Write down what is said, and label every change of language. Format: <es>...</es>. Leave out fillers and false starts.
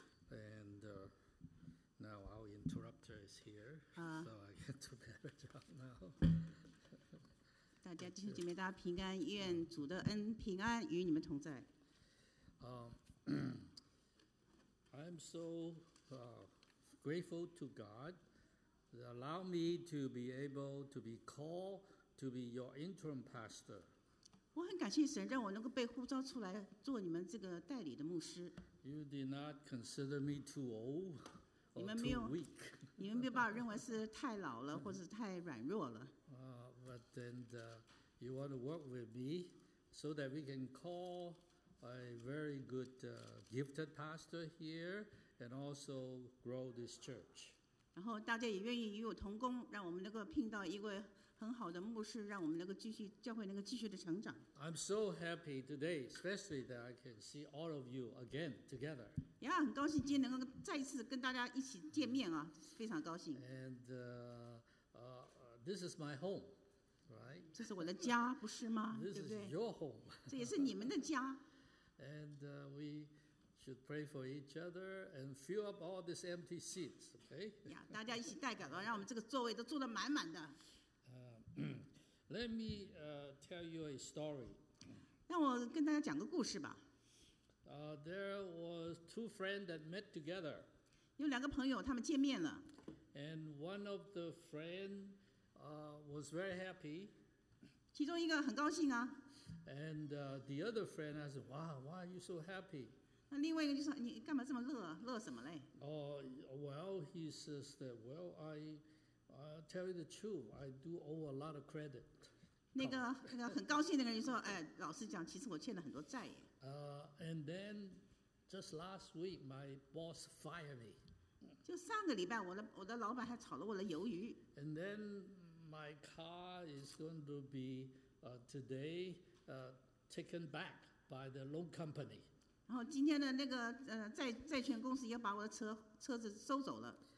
<en>And now our interrupter is here, so I can do a better job now.</en> <zh>大家弟兄姐妹，大家平安，愿主的恩平安与你们同在。</zh> <en>I'm so grateful to God that allow me to be able to be called to be your interim pastor.</en> <zh>我很感谢神，让我能够被呼召出来做你们这个代理的牧师。</zh> <en>You did not consider me too old or too weak.</en> <zh>你们没有把我认为是太老了，或者太软弱了。</zh> <en>But then you want to work with me so that we can call a very good gifted pastor here and also grow this church.</en> <zh>然后大家也愿意与我同工，让我们能够聘到一位。很好的牧师，让我们能够继续教会能够继续的成长。</zh> <en>I'm so happy today, especially that I can see all of you again together.</en> <zh>呀，很高兴今天能够再一次跟大家一起见面啊，非常高兴。</zh> <en>And this is my home, right?</en> <zh>这是我的家，不是吗？</zh> <en>This is your home.</en> <zh>这也是你们的家。</zh> <en>And we should pray for each other and fill up all these empty seats, okay?</en> <zh>呀，大家一起代表了，让我们这个座位都坐得满满的。</zh> <en>Let me tell you a story.</en> <zh>让我跟大家讲个故事吧。</zh> <en>There was two friends that met together.</en> <zh>有两个朋友，他们见面了。</zh> <en>And one of the friends was very happy.</en> <zh>其中一个很高兴啊。</zh> <en>And the other friend said, "Wow, why are you so happy?"</en> <zh>那另外一个就说，你干嘛这么乐？乐什么嘞？</zh> <en>Well, he says that, well, I'll tell you the truth, I do owe a lot of credit.</en> <zh>那个很高兴的人说，哎，老实讲，其实我欠了很多债耶。</zh> <en>And then, just last week, my boss fired me.</en> <zh>就上个礼拜，我的老板还炒了我的鱿鱼。</zh> <en>And then, my car is going to be today taken back by the loan company.</en> <zh>然后今天的那个债权公司也把我的车子收走了。</zh>